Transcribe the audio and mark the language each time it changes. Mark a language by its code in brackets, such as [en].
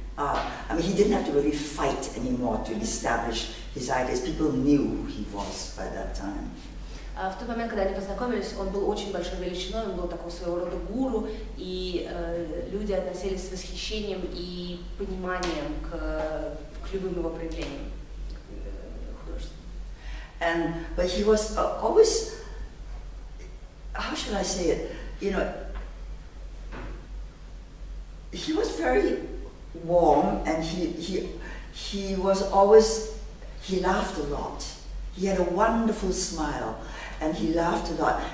[en] I mean, he didn't have to really fight anymore to establish his ideas. People knew who he was by that time. [ru] В тот момент, когда они познакомились, он был очень большой величиной, он был такого своего рода гуру, и люди относились с восхищением и пониманием к любым его проявлениям художественным. [en] And but he was always, how should I say it? You know, he was very warm, and he was always, he laughed a lot. He had a wonderful smile, and he laughed a lot.